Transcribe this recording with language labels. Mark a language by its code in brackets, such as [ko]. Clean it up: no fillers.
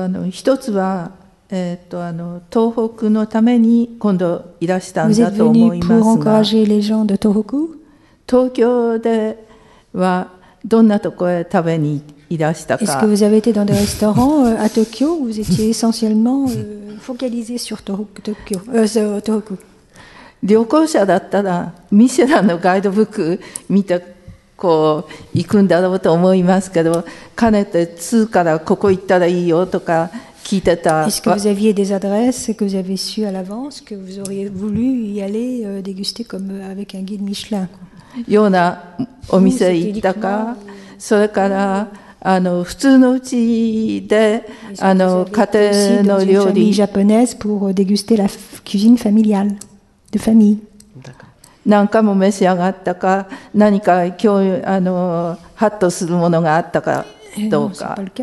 [ja] 一つは、東北のために今度いらしたんだと思いますが。 [fr] Vous êtes venu pour encourager les gens de Tohoku? [ja] 東京ではどんなところへ食べにいらしたか。 [fr] Est-ce que vous avez été dans des restaurants à Tokyo? Vous étiez essentiellement focalisé sur Tokyo, Tohoku. [ja] 旅行者だったらミシュランのガイドブック見た。こう行くんだろうと思いますけど、かねて通からここ行ったらいいよとか聞いてた。 [fr] Est-ce que vous aviez des adresses que vous avez su à l'avance que vous auriez voulu y aller déguster comme avec un guide Michelin? [ja] ようなお店行ったか、それから普通のうちで家庭の料理。 [fr] Japonaise pour déguster la cuisine familiale de famille. [ja] 何回も召し上がったか、何か今日ハッとするものがあったかどうか。